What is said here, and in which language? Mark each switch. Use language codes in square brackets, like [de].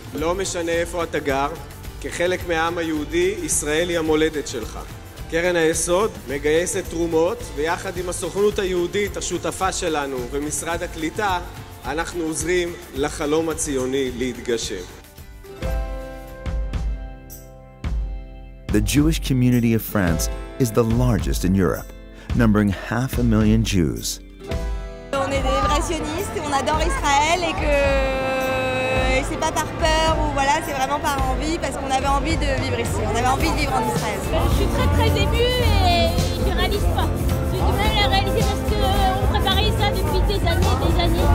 [he] לא משנה איפה אתה גר, כחלק מהעם היהודי, ישראל היא המולדת שלך. קרן היסוד מגייסת תרומות, ויחד עם הסוכנות היהודית, השותפה שלנו ומשרד הקליטה, אנחנו עוזרים לחלום הציוני להתגשם. [en] The Jewish community of France is the largest in Europe, numbering 500,000 Jews. [fr] On est des vrais sionistes, on adore Israël et que et c'est pas par peur ou voilà, c'est vraiment par envie parce qu'on avait envie de vivre ici, on avait envie de vivre en Israël. Je suis très très émue et je réalise pas. Je dois même la réaliser parce que depuis des années.